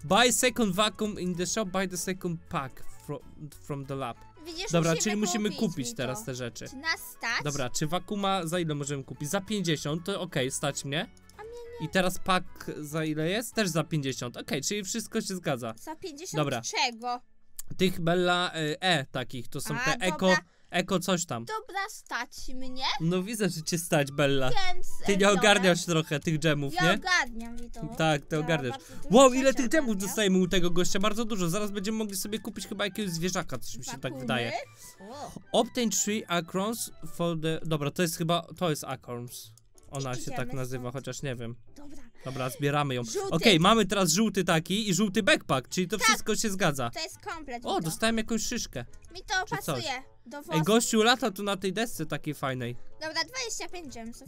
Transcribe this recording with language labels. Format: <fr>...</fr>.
<en>Buy second vacuum in the shop, buy the second pack from the lab.</en> <pl>Widzisz, dobra, musimy czyli musimy kupić mi teraz te rzeczy. Czy nas stać? Dobra, czy vacuuma za ile możemy kupić? Za 50, to okej, okay, stać mnie. A mnie nie. I teraz pack za ile jest? Też za 50, okej, okay, czyli wszystko się zgadza. Za 50 dobra. Czego? Tych Bella E takich, to są a, te dobra. Eco... Eko coś tam. Dobra, stać mnie? No widzę, że cię stać, Bella. Więc, ty nie ogarniasz trochę tych dżemów, ja nie? Ja ogarniam, Vito. Tak, ty ja ogarniasz. Wow, ile tych dżemów dostajemy u tego gościa? Bardzo dużo. Zaraz będziemy mogli sobie kupić chyba jakiegoś zwierzaka, coś mi się tak wydaje.</pl> <en>Obtain three acorns for the...</en> <pl>Dobra, to jest chyba... To jest acorns. Ona się tak nazywa, chociaż nie wiem. Dobra. Dobra, zbieramy ją. Żółty. Okej, okay, mamy teraz żółty taki i żółty backpack, czyli to wszystko się zgadza. To jest komplet. O, dostałem jakąś szyszkę. Mi to pasuje. Coś. Ej, gościu, lata tu na tej desce takiej fajnej. Dobra, 25 gemsów.</pl>